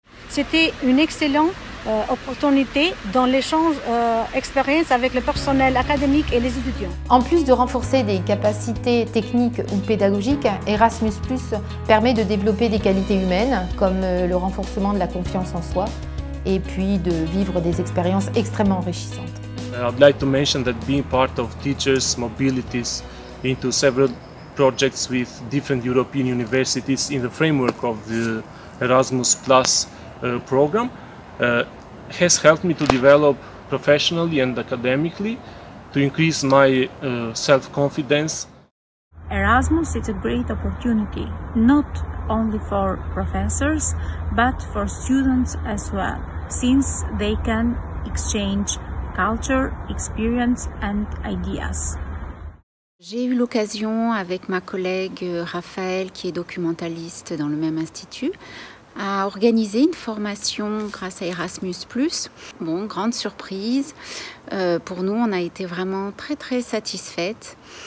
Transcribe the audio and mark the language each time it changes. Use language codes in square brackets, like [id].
[fr] C'était une excellente opportunité dans l'échange expérience avec le personnel académique et les étudiants. En plus de renforcer des capacités techniques ou pédagogiques, Erasmus+ permet de développer des qualités humaines comme le renforcement de la confiance en soi et puis de vivre des expériences extrêmement enrichissantes. [en] I'd like to mention that being part of teachers' mobilities into several projects with different European universities in the framework of the Erasmus+ program has helped me to develop professionally and academically, to increase my self-confidence. Erasmus is a great opportunity, not only for professors, but for students as well, since they can exchange culture, experience and ideas. [fr] J'ai eu l'occasion avec ma collègue Raphaël, qui est documentaliste dans le même institut, à organiser une formation grâce à Erasmus+. Bon, grande surprise. Pour nous, on a été vraiment très très satisfaites.